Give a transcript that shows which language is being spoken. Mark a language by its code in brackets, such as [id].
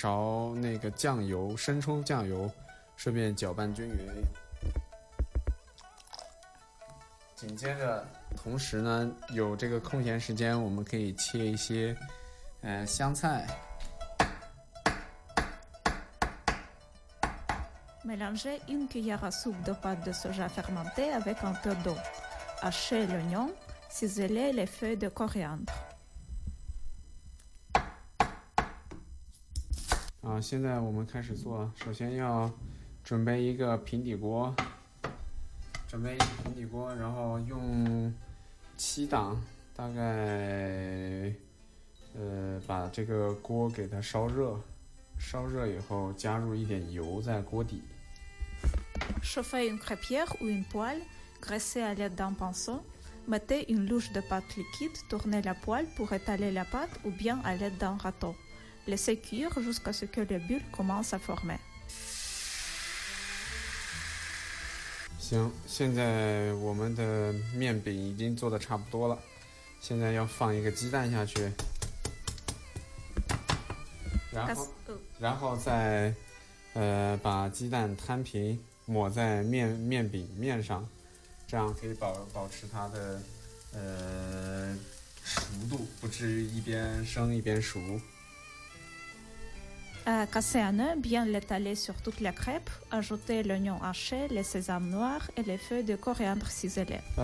[zh] 然后再加入一勺那个酱油, 生抽酱油, 顺便搅拌均匀。紧接着同时呢, 有这个空闲时间, 我们可以切一些, 香菜。 [fr] Mélangez une cuillère à soupe de pâte de soja fermentée avec un peu d'eau. Hachez l'oignon, ciselez les feuilles de coriandre. [zh] 现在我们开始做，首先要准备一个平底锅，然后用七档，大概把这个锅给它烧热，烧热以后加入一点油在锅底。 [fr] Chauffez une crêpière ou une poêle, graissez à l'aide d'un pinceau, mettez une louche de pâte liquide, tournez la poêle pour étaler la pâte ou bien à l'aide d'un râteau. Laissez cuire jusqu'à ce que les bulles commencent à former. [zh] 行，现在我们的面饼已经做的差不多了，现在要放一个鸡蛋下去，然后再把鸡蛋摊平，抹在面饼面上，这样可以保持它的熟度，不至于一边生一边熟。 [fr] Cassez un œuf, bien l'étaler sur toute la crêpe. Ajoutez l'oignon haché, les sésames noirs et les feuilles de coriandre ciselées.